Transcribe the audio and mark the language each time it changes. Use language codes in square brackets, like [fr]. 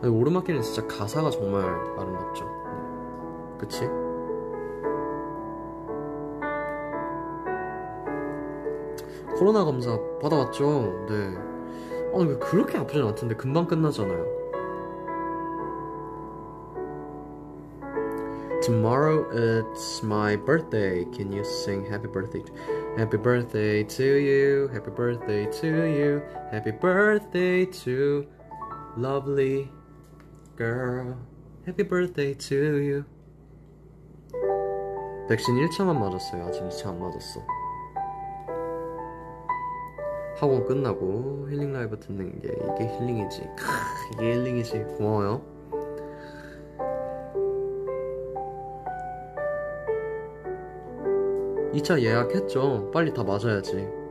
[ko] 아니, 오르막길은 진짜 가사가 정말 아름답죠. 네. 그치? 코로나 검사 받아왔죠. 네. 아니 왜 그렇게 아프진 않던데 금방 끝나잖아요. [en] Tomorrow it's my birthday. Can you sing happy birthday? Happy birthday to you, happy birthday to you, happy birthday to lovely girl, happy birthday to you. [ko] 백신 1차만 맞았어요. 아직 2차 안 맞았어. 학원 끝나고 힐링 라이브 듣는 게 이게 힐링이지. 크, 이게 힐링이지. 고마워요. 2차 예약했죠. 빨리 다 맞아야지.